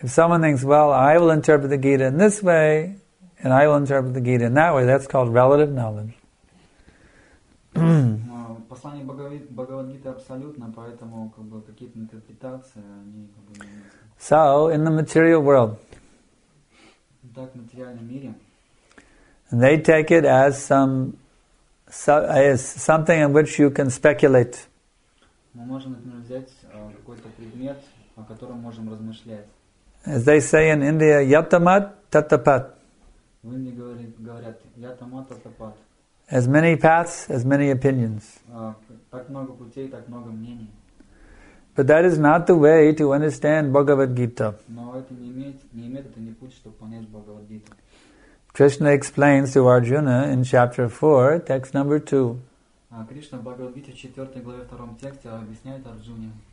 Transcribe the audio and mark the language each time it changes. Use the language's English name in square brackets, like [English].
[English] If someone thinks, well, I will interpret the Gita in this way, and I will interpret the Gita in that way, that's called relative knowledge. [Russian] Послание Бхагавад-гиты абсолютно, поэтому как бы какие-то интерпретации они как бы. [English] So in the material world. [Russian] Так, в материальном мире. [English] They take it as something in which you can speculate. [Russian] Мы можем, например, взять какой-то предмет, о котором можем размышлять. [English] As they say in India, [Bangla] yatamat tatapat. [Russian] В Индии говорят [Bangla] yatamat tatapat. [English] As many paths, as many opinions. [Russian] Так много путей, так много мнений. [English] But that is not the way to understand Bhagavad Gita. [Russian] Но это не имеет, это не путь, чтобы понять Бхагавад Гиту. [English] Krishna explains to Arjuna in chapter 4, text number 2. [Russian] Кришна в Бхагавад Гите 4 главе 2 тексте объясняет Арджуне.